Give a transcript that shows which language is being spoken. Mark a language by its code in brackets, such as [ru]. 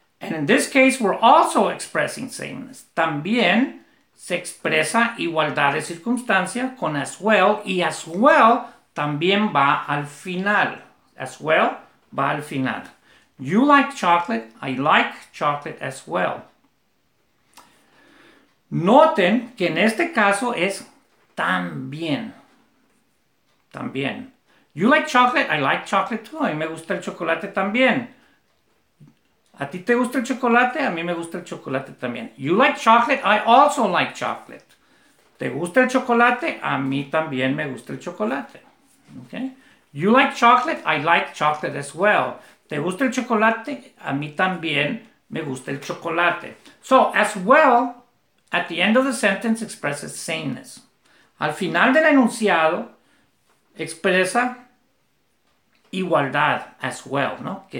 [en] And in this case, we're also expressing sameness. [es] También se expresa igualdad de circunstancia con as well. Y as well también va al final. As well va al final. [en] You like chocolate. I like chocolate as well. [es] Noten que en este caso es también. También. [en] You like chocolate? I like chocolate too. [es] A mí me gusta el chocolate también. ¿A ti te gusta el chocolate? A mí me gusta el chocolate también. [en] You like chocolate? I also like chocolate. [es] ¿Te gusta el chocolate? A mí también me gusta el chocolate. Okay. [en] You like chocolate? I like chocolate as well. [es] ¿Te gusta el chocolate? A mí también me gusta el chocolate. [en] So, as well, at the end of the sentence expresses sameness. [es] Al final del enunciado expresa igualdad, as well, ¿no?